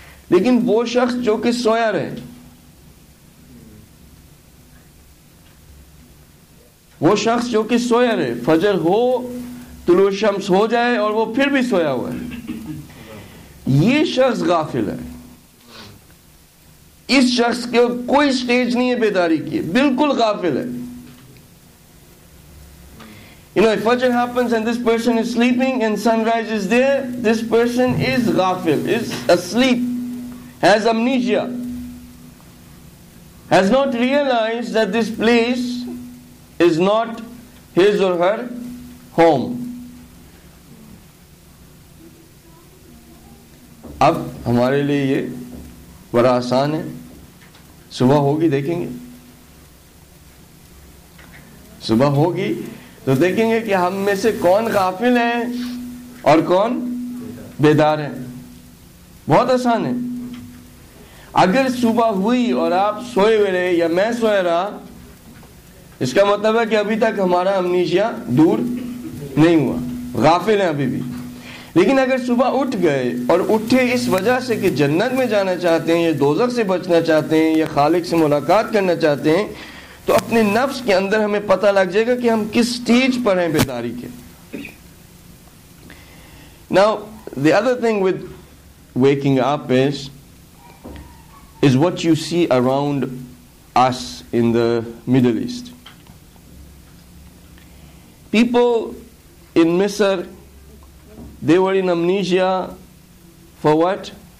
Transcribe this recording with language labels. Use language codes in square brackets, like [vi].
[ur] لیکن وہ شخص جو کہ سویا رہے, وہ شخص جو کہ سویا رہے, فجر ہو طلوع شمس ہو جائے اور وہ پھر بھی سویا ہوا ہے, یہ شخص غافل ہے. اس شخص کے کوئی سٹیج نہیں ہے بیداری کی, بالکل غافل ہے. [en] You know, if Fajr happens and this person is sleeping and sunrise is there, this person is ghafil, is asleep, has amnesia, has not realized that this place is not his or her home. [ur] Ab hamare liye ye bada aasan hai, subah hogi dekhenge, subah hogi تو دیکھیں گے کہ ہم میں سے کون غافل ہے اور کون بیدار ہے. بہت آسان ہے. اگر صبح ہوئی اور آپ سوئے ہوئے رہے یا میں سویا رہا, اس کا مطلب ہے کہ ابھی تک ہمارا امنیشیا دور نہیں ہوا, غافل ہیں ابھی بھی. لیکن اگر صبح اٹھ گئے اور اٹھے اس وجہ سے کہ جنت میں جانا چاہتے ہیں یا دوزخ سے بچنا چاہتے ہیں یا خالق سے ملاقات کرنا چاہتے ہیں, تو اپنے نفس کے اندر ہمیں پتہ لگ جائے گا کہ ہم کس سٹیج پر ہیں بیداری کے. [en] Now the other thing with waking up is what you see around us in the Middle East. People in Misr, they were in amnesia for what?